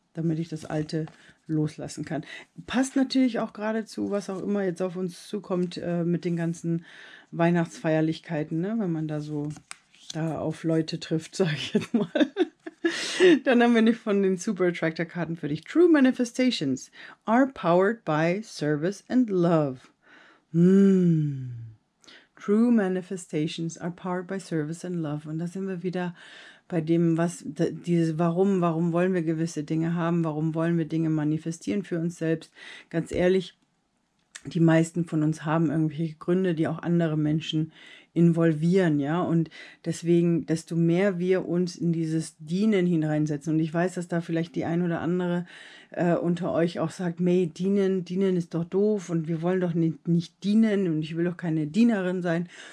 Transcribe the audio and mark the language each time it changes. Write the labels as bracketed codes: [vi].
[de] Damit ich das Alte loslassen kann. Passt natürlich auch gerade zu, was auch immer jetzt auf uns zukommt, mit den ganzen Weihnachtsfeierlichkeiten, ne? Wenn man da so da auf Leute trifft, sage ich jetzt mal. Dann haben wir nicht von den Super Attractor-Karten für dich. [en] True Manifestations are powered by service and love. True Manifestations are powered by service and love. [de] Und da sind wir wieder bei dem, was dieses Warum, warum wollen wir gewisse Dinge haben, warum wollen wir Dinge manifestieren für uns selbst. Ganz ehrlich, die meisten von uns haben irgendwelche Gründe, die auch andere Menschen involvieren, ja, und deswegen, desto mehr wir uns in dieses Dienen hineinsetzen, und ich weiß, dass da vielleicht die ein oder andere unter euch auch sagt, Mei, dienen ist doch doof und wir wollen doch nicht dienen und ich will doch keine Dienerin sein.